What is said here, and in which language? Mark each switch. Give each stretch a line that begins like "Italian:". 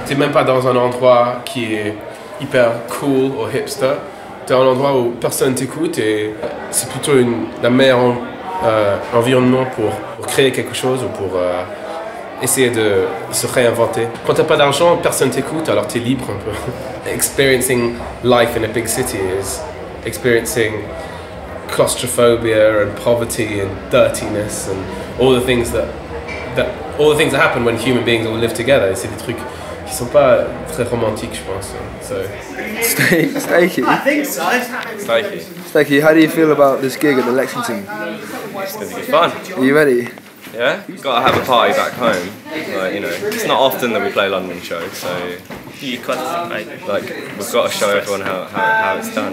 French: T'es même pas dans un endroit qui est hyper cool ou hipster, t'es un endroit où personne t'écoute et c'est plutôt la meilleure environnement pour créer quelque chose ou pour essayer de se réinventer. Quand t'as pas d'argent, personne t'écoute, alors t'es libre un peu.
English: Experiencing life in a big city is experiencing claustrophobia and poverty and dirtiness and all the things that happen when human beings all live together.
French: C'est des trucs qui sont pas très romantiques, je pense.
English: So. Stakey. I think so. Stakey, how do you feel about this gig at the Lexington? It's gonna be fun. Are you ready? Yeah, gotta have a party back home. Like, you know, it's not often that we play London shows, so you classic, mate. Like, we've got to show everyone how it's done.